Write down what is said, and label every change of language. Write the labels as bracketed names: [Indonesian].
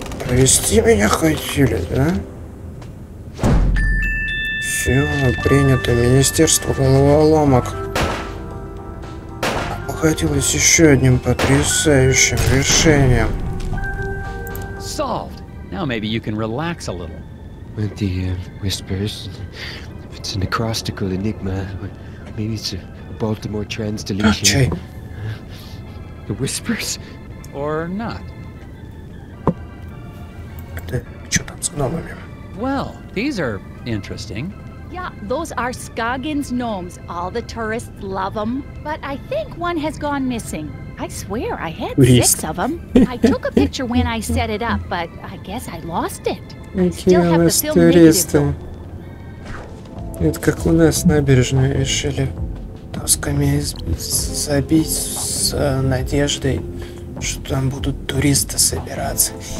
[Russian] Вести меня хотели, да? Все, принято. Министерство головоломок обходилось еще одним потрясающим решением. [English] Solved. Now maybe you can relax a little. With the whispers, if it's an acrostical enigma, maybe it's a Baltimore transdeletion. [Russian] Ah, чай. [English] The whispers? Or not. [Russian] Гномами. [English] Well, these are interesting. Yeah, those are Scoggins gnomes. All the tourists love them. But I think one has gone missing. I swear, I had six of them. I took a picture when I set it up, but I guess I lost it. I still have the film negative. [Russian] Это как у нас набережную решили досками забить с надеждой, что там будут туристы собираться.